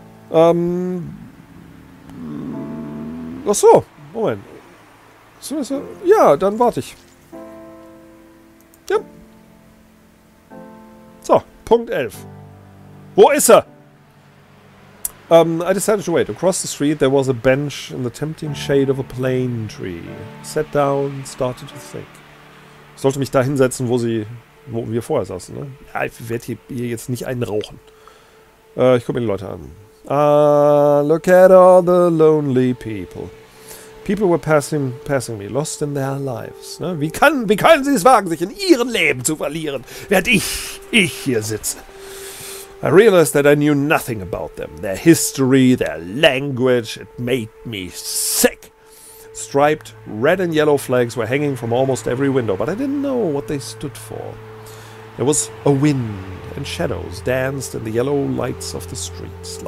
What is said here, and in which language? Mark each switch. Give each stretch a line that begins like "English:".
German: Ach so, Moment. Ja, dann warte ich. Ja. So, Punkt 11. Wo ist er?
English: I decided to wait. Across the street, there was a bench in the tempting shade of a plane tree. Sat down, started to think.
German: Sollte mich da hinsetzen, wo wir vorher saßen, ne? Ja, ich werde hier jetzt nicht einen rauchen. Ich gucke mir die Leute an.
English: Look at all the lonely people. People were passing me, lost in their lives.
German: Ne? Wie können sie es wagen, sich in ihrem Leben zu verlieren, während ich hier sitze?
English: I realized that I knew nothing about them. Their history, their language, it made me sick. Striped red and yellow flags were hanging from almost every window, but I didn't know what they stood for. There was a wind, and shadows danced in the yellow lights of the streets.